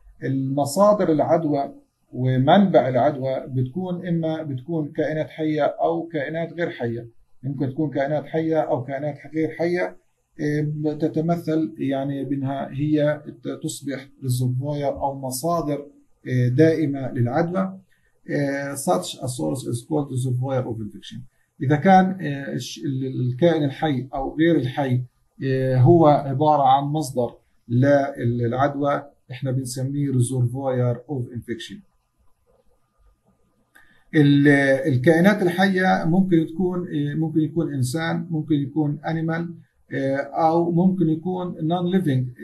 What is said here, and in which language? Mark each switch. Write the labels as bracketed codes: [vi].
[ar] المصادر العدوى ومنبع العدوى بتكون اما بتكون كائنات حية او كائنات غير حية، ممكن تكون كائنات حية او كائنات غير حية، تتمثل يعني بانها هي تصبح ريزرفوير او مصادر دائمة للعدوى. [en] Such a source is called reservoir of infection. [ar] إذا كان الكائن الحي أو غير الحي هو عبارة عن مصدر للعدوى، إحنا بنسميه [en] reservoir of infection. [ar] الكائنات الحية ممكن يكون إنسان، ممكن يكون animal، أو ممكن يكون non-living.